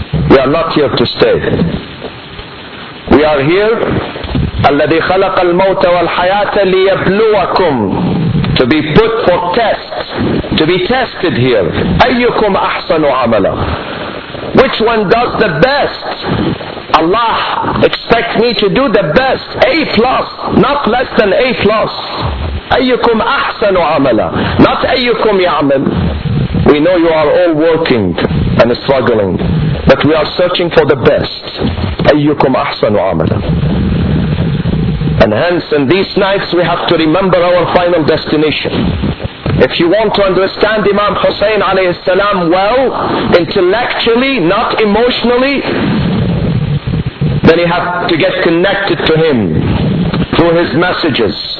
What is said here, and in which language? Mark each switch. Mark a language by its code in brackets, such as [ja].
[en] We are not here to stay. We are here, [ar] الَّذِي خَلَقَ الْمَوْتَ وَالْحَيَاةَ لِيَبْلُوَكُمْ, [en] to be put for test, to be tested here. [ar] أَيُّكُمْ أَحْسَنُ عَمَلًا, [en] which one does the best? Allah expects me to do the best, A plus, not less than A plus. [ar] أَيُّكُمْ أَحْسَنُ عَمَلًا, not أَيُّكُمْ يَعْمَلْ. [en] We know you are all working and struggling, but we are searching for the best. [ar] أَيُّكُمْ أَحْسَنُ عَمَلًا. [en] And hence in these nights we have to remember our final destination. If you want to understand Imam Hussein alayhi salam well, intellectually, not emotionally, then you have to get connected to him through his messages.